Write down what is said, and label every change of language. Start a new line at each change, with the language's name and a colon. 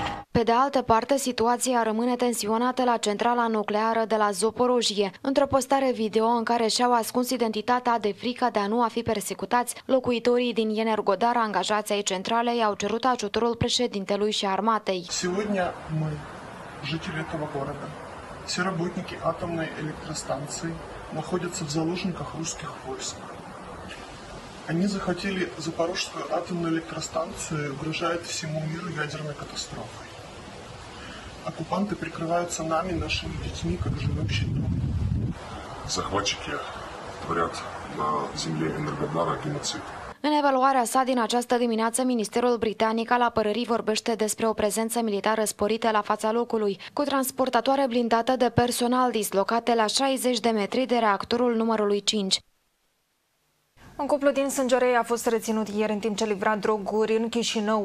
Romanian: Pe de altă parte, situația rămâne tensionată la centrala nucleară de la Zaporojie. Într-o postare video în care și-au ascuns identitatea de frica de a nu a fi persecutați, locuitorii din Energodar, angajați ai centralei, au cerut ajutorul președintelui și armatei.
Russian: Сегодня мы, жители этого города, все работники атомной электростанции находятся в заложниках русских войск. Они захватили Запорожскую атомную электростанцию и угрожают всему миру ядерной катастрофой. Оккупанты прикрываются нами, нашими детьми, как живым щитом. Захватчики творят на земле Энергодара геноцид.
Romanian: În evaluarea sa din această dimineață, Ministerul Britanic al Apărării vorbește despre o prezență militară sporită la fața locului, cu transportatoare blindată de personal dislocate la 60 de metri de reactorul numărului 5. Un cuplu din Sângerei a fost reținut ieri în timp ce livra droguri în Chișinău.